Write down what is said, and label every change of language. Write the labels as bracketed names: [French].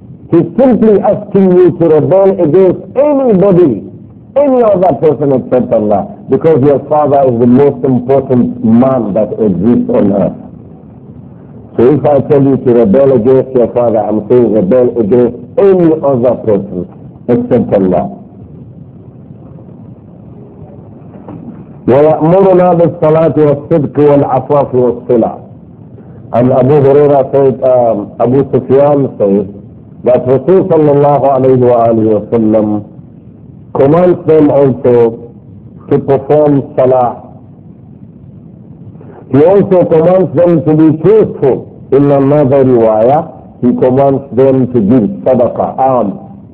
[English] He's simply asking you to rebel against anybody, any other person except Allah, because your father is the most important man that exists on earth. So if I tell you to rebel against your father, I'm saying rebel against any other person except Allah. [Arabic] ويأمرنا بالصلاة والصدق والعفاف والصلاة. [English] And Abu Huraira said, Abu Sufyan said, that Rasul sallallahu alayhi wa alayhi wa sallam commands them also to perform salah. He also commands them to be truthful. In another riwayah, he commands them to give sadaqah, alms.